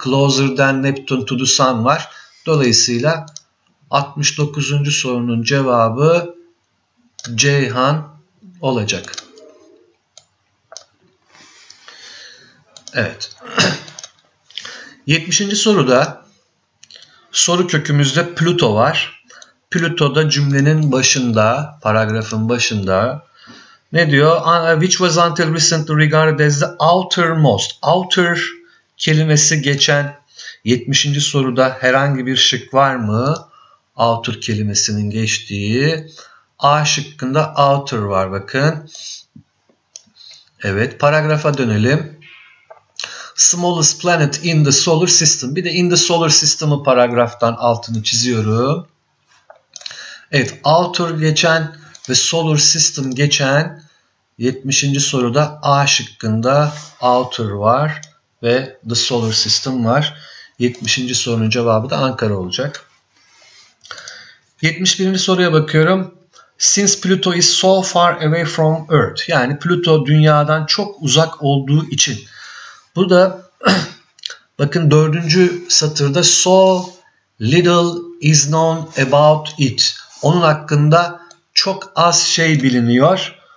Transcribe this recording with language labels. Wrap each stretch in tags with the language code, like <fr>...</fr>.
<en>Closer than Neptune to the sun var.</en> <tr>Dolayısıyla 69. sorunun cevabı Ceyhan olacak. Evet. 70. soruda soru kökümüzde Plüto var. Plüto da cümlenin başında, paragrafın başında. Ne diyor?</tr> <en>Which was until recently regarded as the outermost.</en> <tr>Outer kelimesi geçen 70. soruda herhangi bir şık var mı? Outer kelimesinin geçtiği. A şıkkında outer var bakın. Evet, paragrafa dönelim.</tr> <en>Smallest planet in the solar system.</en> <tr>Bir de</tr> <en>in the solar system'ı</en> <tr>paragraftan altını çiziyorum. Evet, outer geçen ve solar system geçen 70. soruda A şıkkında outer var ve the solar system var. 70. sorunun cevabı da Ankara olacak. 71. soruya bakıyorum.</tr> <en>Since Pluto is so far away from Earth.</en> <tr>Yani Pluto dünyadan çok uzak olduğu için. Bu da bakın dördüncü satırda</tr> <en>so little is known about it.</en> <tr>Onun hakkında çok az şey biliniyor.</tr>